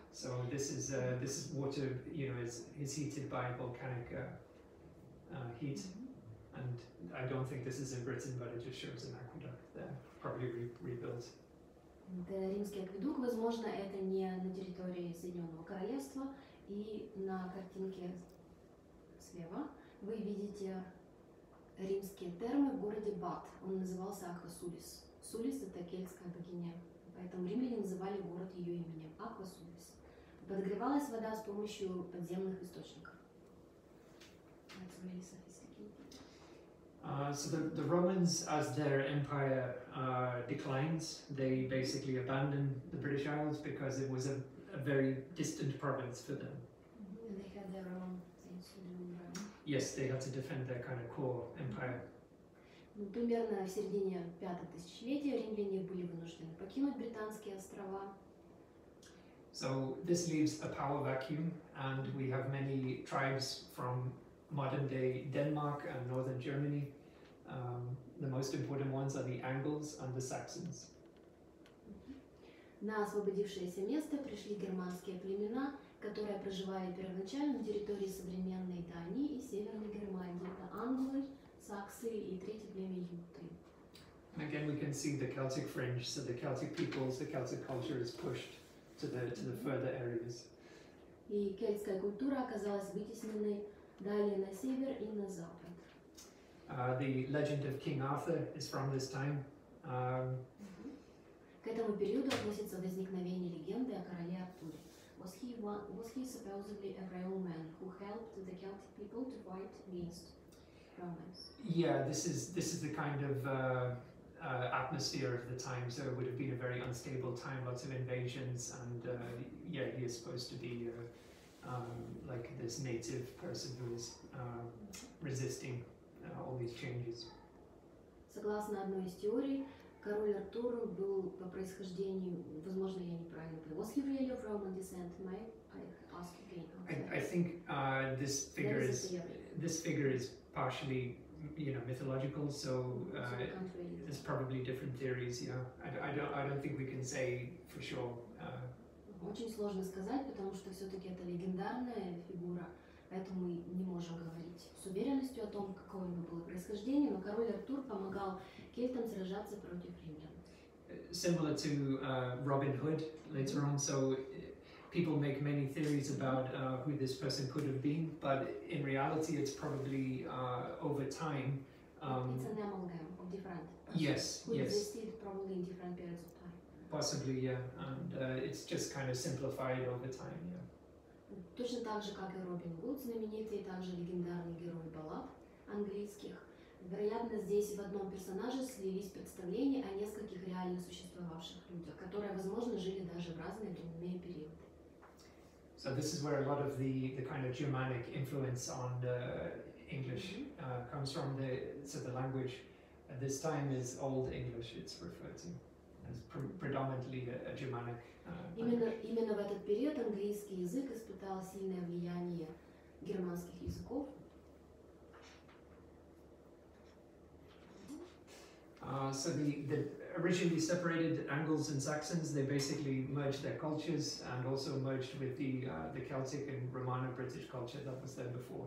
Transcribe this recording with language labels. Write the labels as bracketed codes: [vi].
[en] So this is water, you know, is heated by volcanic heat, and I don't think this is in Britain, but it just shows an aqueduct there, probably rebuilt. [ru] Это римский акведук, возможно, это не на территории Соединенного Королевства, и на картинке слева вы видите римские термы в городе Бат. Он назывался Аквасулис. Сулис — это кельтская богиня. Поэтому римляне называли город ее именем Аквасулис. Подогревалась вода с помощью подземных источников. [en] That's really sophisticated. So the Romans, as their empire declines, they basically abandon the British Isles because it was a very distant province for them. And they had their own things to do, right? Yes, they had to defend their kind of core empire. [ru] Примерно в середине 5-го тысячелетия римляне были вынуждены покинуть Британские острова. [en] So this leaves a power vacuum, and we have many tribes from modern-day Denmark and northern Germany. The most important ones are the Angles and the Saxons. [ru] На освободившееся место пришли германские племена, которые проживали первоначально в территории современной Дании и Северной Германии. Это Англы, Саксы и третье племя Юты. [en] And again, we can see the Celtic fringe, so the Celtic peoples, the Celtic culture is pushed to the further areas. [ru] И кельтская культура оказалась вытесненной далее на север и на запад. [en] The legend of King Arthur is from this time. [ru] К этому периоду относится возникновение легенды о короле Артуре. [en] Was he supposedly a real man who helped the Celtic people to fight against Romans? Yeah, this is the kind of atmosphere of the time. So it would have been a very unstable time, lots of invasions, and yeah, he is supposed to be like this native person who is resisting all these changes. [ru] Согласно одной из теорий, король Артур был по происхождению, возможно, я неправильно понял. [en] Was he really of Roman descent? May I ask again? I think this figure is partially, you know, mythological. So there's probably different theories. Yeah, I don't think we can say for sure. [ru] Очень сложно сказать, потому что все-таки это легендарная фигура, поэтому мы не можем говорить с уверенностью о том, какое у него было происхождение, но король Артур помогал кельтам сражаться против римлян. [en] Similar to Robin Hood later on, so people make many theories about who this person could have been, but in reality it's probably over time. It's an amalgam of different. Yes, yes. Who existed probably in different periods of time. Possibly, yeah, and it's just kind of simplified over time, yeah. [ru] Точно так же, как и Робин Гуд, знаменитый и также легендарный герой баллад английских, вероятно, здесь в одном персонаже слились представления о нескольких реально существовавших людях, которые, возможно, жили даже в разные временные периоды. [en] So this is where a lot of the kind of Germanic influence on the English comes from. The language at this time is Old English, it's referred to. Predominantly a Germanic [ru] Именно в этот период английский язык испытал сильное влияние германских языков. [en] So the originally separated Angles and Saxons, they basically merged their cultures and also merged with the Celtic and Romano British culture that was there before.